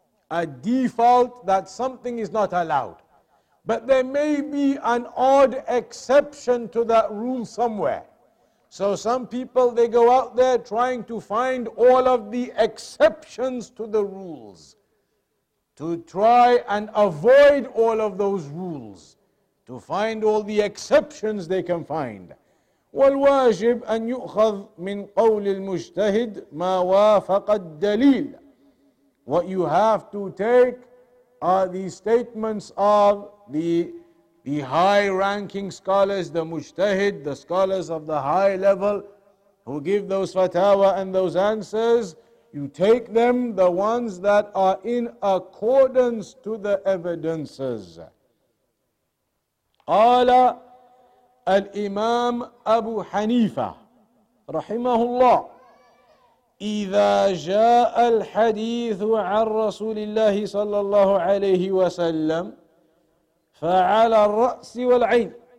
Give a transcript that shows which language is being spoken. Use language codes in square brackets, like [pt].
[en] A default that something is not allowed. But there may be an odd exception to that rule somewhere. So some people, they go out there trying to find all of the exceptions to the rules. To try and avoid all of those rules. To find all the exceptions they can find. [ar] والواجب أن يؤخذ من قول المجتهد ما وافق الدليل. [en] What you have to take are the statements of the high-ranking scholars, the mujtahid, the scholars of the high level who give those fatawa and those answers. You take them, the ones that are in accordance to the evidences. [ar] قال الإمام أبو حنيفة رحمه الله إذا جاء الحديث عن رسول الله صلى الله عليه وسلم فعلى الرأس والعين.